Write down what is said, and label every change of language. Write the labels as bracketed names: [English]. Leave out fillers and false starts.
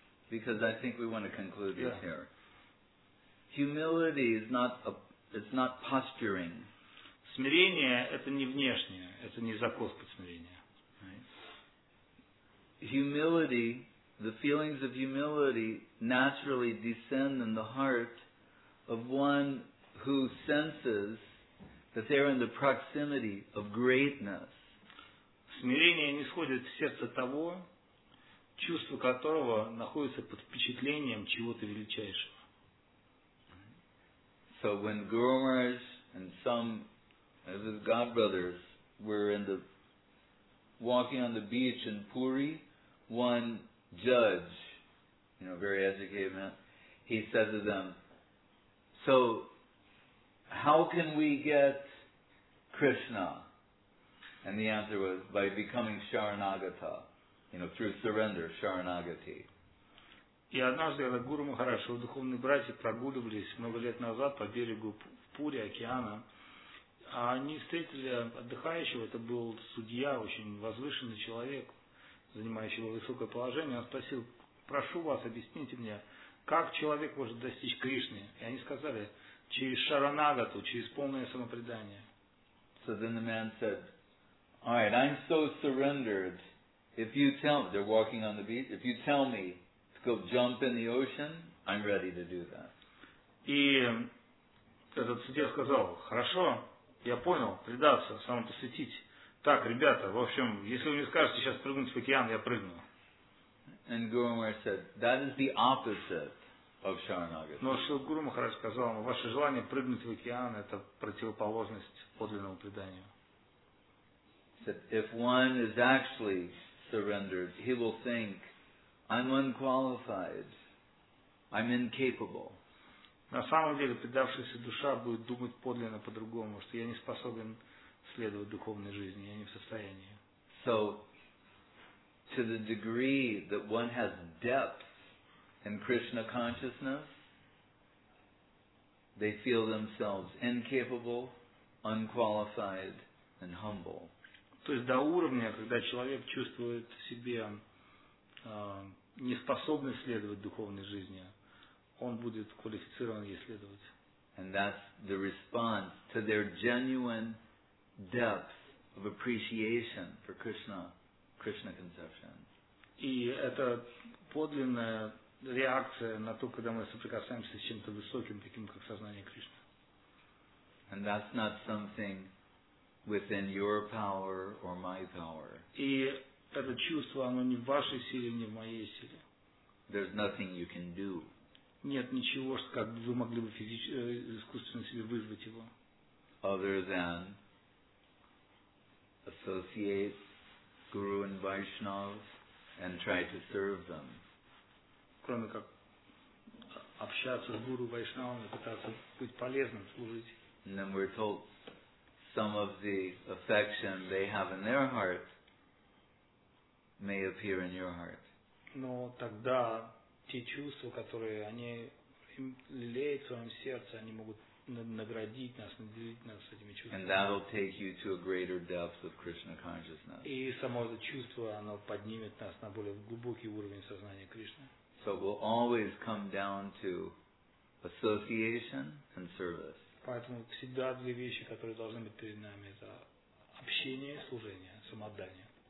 [English] Because I think we want to conclude this here. Humility is not it's not posturing. [Russian] Смирение – это не внешнее. Это не закос под смирение. [English] Right. Humility, the feelings of humility naturally descend in the heart of one who senses that they're in the proximity of greatness. [Russian] Смирение нисходит в сердце того, чувство которого находится под впечатлением чего-то величайшего. [English] So when Guru Maharaj and some of his godbrothers were walking on the beach in Puri, one judge, you know, very educated man, he said to them, so, how can we get Krishna? And the answer was, by becoming Sharanagata, you know, through surrender, Sharanagati. [Russian] И однажды, когда Гуру Махарадж и его духовные братья прогуливались много лет назад по берегу Пури, океана, они встретили отдыхающего, это был судья, очень возвышенный человек, занимающий высокое положение, он спросил, прошу вас, объясните мне, как человек может достичь Кришны? И они сказали, через шаранагату, через полное самопредание. [English] So then the man said, all right, I'm so surrendered. If you tell me, they're walking on the beach, if you tell me to go jump in the ocean, I'm ready to do that. [Russian] И этот судья сказал, хорошо, я понял, предаться, самопосвятить. Так, ребята, в общем, если вы мне скажете сейчас прыгнуть в океан, я прыгну. [English] And Guru Maharaj said, that is the opposite of Sharanagati. [Russian] Но что Гуру Махарадж сказал, ваше желание прыгнуть в океан, это противоположность подлинному преданию. [English] He said, if one is actually surrendered, he will think, I'm unqualified, I'm incapable. [Russian] На самом деле, предавшаяся душа будет думать подлинно по-другому, что я не способен следовать духовной жизни, я не в состоянии. [English] So, to the degree that one has depth in Krishna consciousness, they feel themselves incapable, unqualified, and humble. [Russian] То есть до уровня, когда человек чувствует в себе неспособность следовать духовной жизни, он будет квалифицирован ей следовать. [English] And that's the response to their genuine depth of appreciation for Krishna. Krishna conception. [Russian] И это подлинная реакция на то, когда мы соприкасаемся с чем-то высоким, таким как сознание Кришны. [English] And that's not something within your power or my power. [Russian] И это чувство, оно не в вашей силе, не в моей силе. [English] There's nothing you can do. [Russian] Нет ничего, что как бы вы могли бы искусственно себе вызвать его. [English] Other than associate Guru and Vaishnavas, and try to serve them. [Russian] Кроме как общаться с Гуру Вайшнавами, пытаться быть полезным, служить. [English] And then we're told some of the affection they have in their heart may appear in your heart. [Russian] Но тогда те чувства, которые они лелеют в своем сердце, они могут наградить нас, наделить нас этими чувствами. [English] And that'll take you to a greater depth of Krishna consciousness. [Russian] И само это чувство, оно поднимет нас на более глубокий уровень сознания Кришны. [English] So it will always come down to association and service. [Russian] Поэтому всегда две вещи, которые должны быть перед нами, это общение и служение, самоотдание.